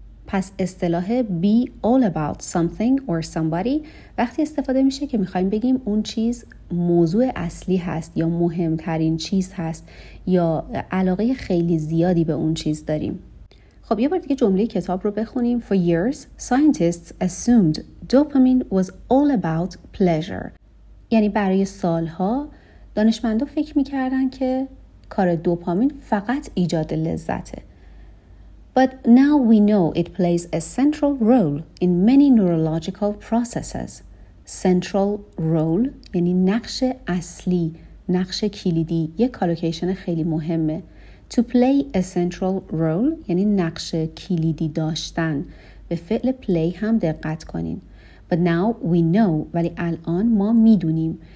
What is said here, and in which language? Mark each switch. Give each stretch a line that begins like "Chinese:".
Persian: پس اصطلاح
English: be all about something or somebody
Persian: وقتی استفاده میشه که میخواییم بگیم اون چیز موضوع اصلی هست یا مهمترین چیز هست یا علاقه خیلی زیادی به اون چیز داریم. خب یه بار دیگه جمله کتاب رو بخونیم.
English: For years, scientists assumed dopamine was all about pleasure.
Persian: یعنی برای سالها دانشمندا فکر میکردن که کار دوپامین فقط ایجاد لذته.
English: But now we know it plays a central role in many neurological processes.
Persian: Central role یعنی نقش اصلی، نقش کلیدی، یک کالوکیشن خیلی مهمه.
English: To play a central role
Persian: یعنی نقش کلیدی داشتن. به فعل play هم دقت کنین.
English: But now we know
Persian: ولی الان ما میدونیم.